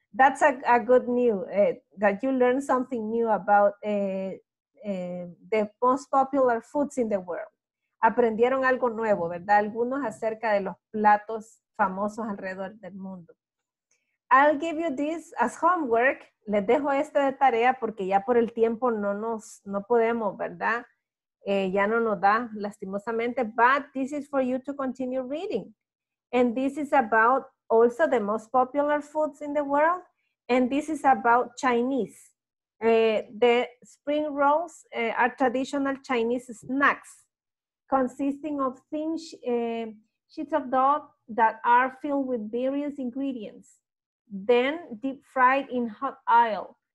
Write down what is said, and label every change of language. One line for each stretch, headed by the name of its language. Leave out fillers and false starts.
English: That's a good news, that you learned something new about the most popular foods in the world.
Spanish: Aprendieron algo nuevo, ¿verdad? Algunos acerca de los platos famosos alrededor del mundo.
English: I'll give you this as homework.
Spanish: Les dejo este de tarea porque ya por el tiempo no podemos, ¿verdad? Ya no nos da, lastimosamente,
English: but this is for you to continue reading. And this is about also the most popular foods in the world. And this is about Chinese. The spring rolls are traditional Chinese snacks consisting of thin sheets of dough that are filled with various ingredients, then deep fried in hot oil.